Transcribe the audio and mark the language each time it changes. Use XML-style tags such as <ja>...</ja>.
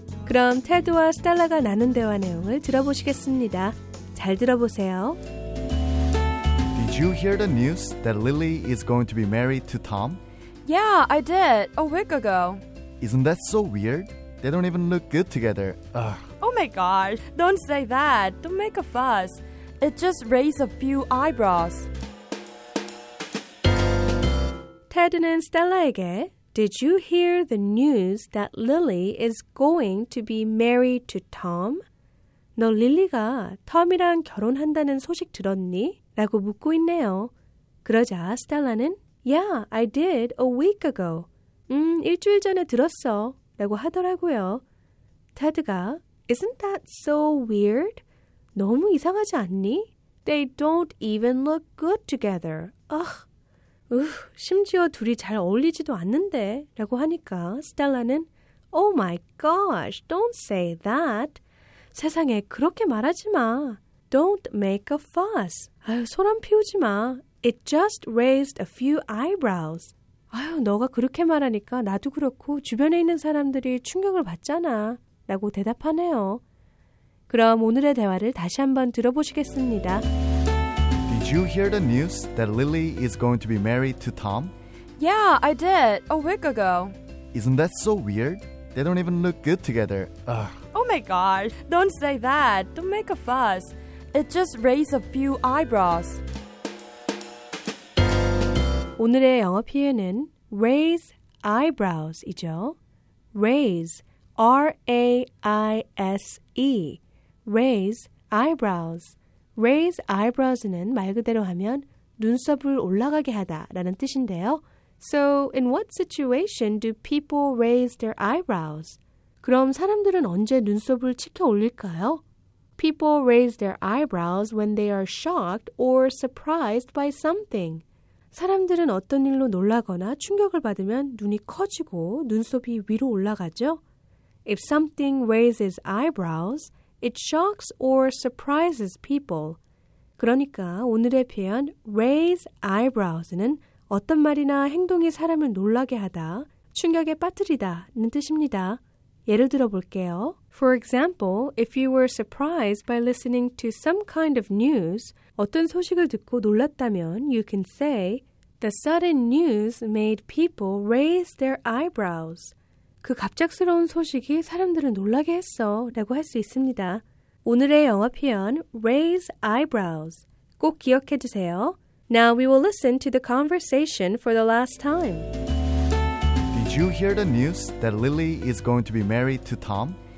<ko>그럼 테드와 스텔라가 나눈 대화 내용을 들어보시겠습니다. 잘 들어보세요.</ko> <en>Did you hear the news that Lily is going to be married to Tom? Yeah, I did. A week ago. Isn't that so weird? They don't even look good together. Ugh. Oh my gosh, don't say that. Don't make a fuss. It just raised a few eyebrows.</en> <ko>테드는 스텔라에게,</ko> <en>Did you hear the news that Lily is going to be married to Tom?</en> <ko>너 릴리가 톰이랑 결혼한다는 소식 들었니? 라고 묻고 있네요. 그러자 스텔라는,</ko> <en>Yeah, I did a week ago.</en> <ko>일주일 전에 들었어. 라고 하더라고요. 테드가,</ko> <en>Isn't that so weird?</en> <ko>너무 이상하지 않니?</ko> <en>They don't even look good together.</en> <ko>Ugh. 심지어 둘이 잘 어울리지도 않는데 라고 하니까 스텔라는</ko> <en>Oh my gosh, don't say that.</en> <ko>세상에 그렇게 말하지 마.</ko> <en>Don't make a fuss.</en> <ko>소란 피우지 마.</ko> <en>It just raised a few eyebrows.</en> <ko>너가 그렇게 말하니까 나도 그렇고 주변에 있는 사람들이 충격을 받잖아. 라고 대답하네요. 그럼 오늘의 대화를 다시 한번 들어보시겠습니다.</ko> <en>Did you hear the news that Lily is going to be married to Tom? Yeah, I did. A week ago. Isn't that so weird? They don't even look good together. Ugh. Oh my gosh, don't say that. Don't make a fuss. It just raised a few eyebrows.</en> <ko>오늘의 영어 표현은 raise eyebrows이죠.</ko> <en>Raise R-A-I-S-E, raise eyebrows.</en> <ko>Raise eyebrows는 말 그대로 하면 눈썹을 올라가게 하다라는 뜻인데요.</ko> <en>So, in what situation do people raise their eyebrows?</en> <ko>그럼 사람들은 언제 눈썹을 치켜 올릴까요?</ko> <en>People raise their eyebrows when they are shocked or surprised by something.</en> <ko>사람들은 어떤 일로 놀라거나 충격을 받으면 눈이 커지고 눈썹이 위로 올라가죠.</ko> <en>If something raises eyebrows, it shocks or surprises people.</en> <ko>그러니까 오늘의 표현 raise eyebrows는 어떤 말이나 행동이 사람을 놀라게 하다, 충격에 빠뜨리다는 뜻입니다. 예를 들어볼게요.</ko> <en>For example, if you were surprised by listening to some kind of news,</en> <ko>어떤 소식을 듣고 놀랐다면</ko> <en>you can say, The sudden news made people raise their eyebrows.</en> <ko>그 갑작스러운 소식이 사람들을 놀라게 했어 라고 할 수 있습니다. 오늘의 영어 표현 raise eyebrows 꼭 기억해 주세요.</ko> <en>Now we will listen to the conversation for the last time. Did you hear the news that Lily is going to be married to Tom?</en>